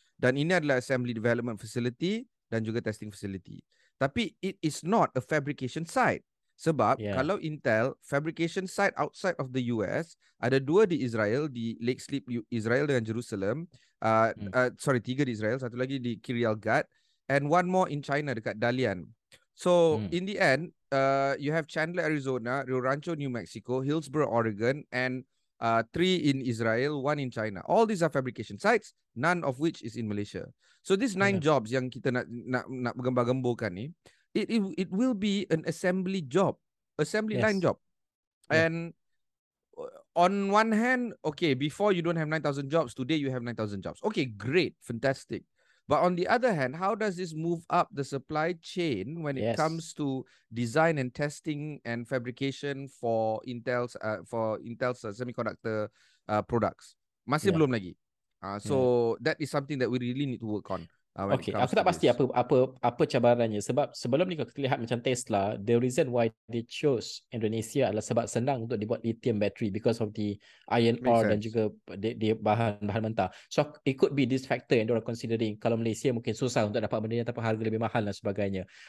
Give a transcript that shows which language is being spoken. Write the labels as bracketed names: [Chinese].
[Malay] Dan ini adalah assembly development facility dan juga testing facility. [English] Tapi it is not a fabrication site. [Malay] Sebab kalau Intel, [English] fabrication site outside of the US, [Malay] ada 2 di Israel, di Lake Sleep, Israel dengan Jerusalem. 3 di Israel, 1 lagi di Kiryat Gat. [English] And 1 more in China [Malay] dekat Dalian. [English] So in the end, you have Chandler, Arizona, Rio Rancho, New Mexico, Hillsboro, Oregon, and 3 in Israel, 1 in China. All these are fabrication sites, none of which is in Malaysia. So these 9 jobs [Malay] yang kita nak gembar-gemburkan ni, [English] it will be an assembly job, assembly yes. line job. And on one hand, okay, before you don't have 9,000 jobs, today you have 9,000 jobs. Okay, great, fantastic. But on the other hand, how does this move up the supply chain when it comes to design and testing and fabrication for Intel's semiconductor products? [Malay] Masih belum lagi. [English] That is something that we really need to work on. [Malay] Aku tak pasti apa cabarannya. Sebab sebelum ni kalau kita lihat macam Tesla, [English] the reason why they chose Indonesia [Malay] adalah sebab senang untuk dibuat lithium battery [English] because of the iron ore [Malay] dan juga dia bahan-bahan mentah. [English] So it could be this factor [Malay] yang diorang [English] considering. [Malay] Kalau Malaysia mungkin susah untuk dapat benda yang tanpa harga lebih mahal dan sebagainya.